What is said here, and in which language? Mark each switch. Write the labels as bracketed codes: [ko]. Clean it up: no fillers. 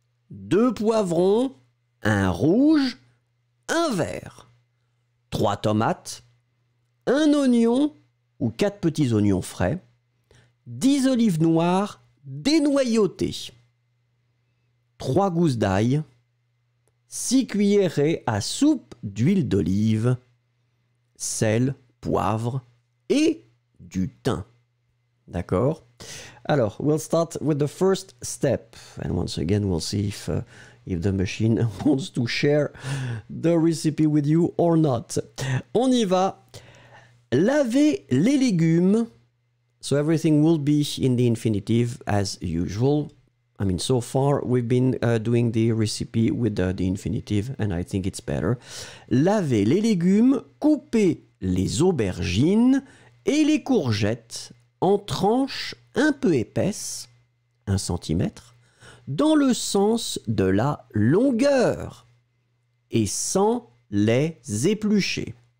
[fr] 2 poivrons, un rouge, un vert, 3 tomates, un oignon ou 4 petits oignons frais, 10 olives noires dénoyautées, 3 gousses d'ail, 6 cuillerées à soupe d'huile d'olive, sel, poivre et du thym. D'accord? Alors, [en] we'll start with the first step. And once again, we'll see if the machine wants to share the recipe with you or not. [fr] On y va. Laver les légumes. [en] So everything will be in the infinitive as usual. I mean, so far, we've been doing the recipe with the infinitive, and I think it's better. [fr] Laver les légumes, couper les aubergines et les courgettes en tranches un peu épaisses, 1 cm, dans le sens de la longueur et sans les éplucher.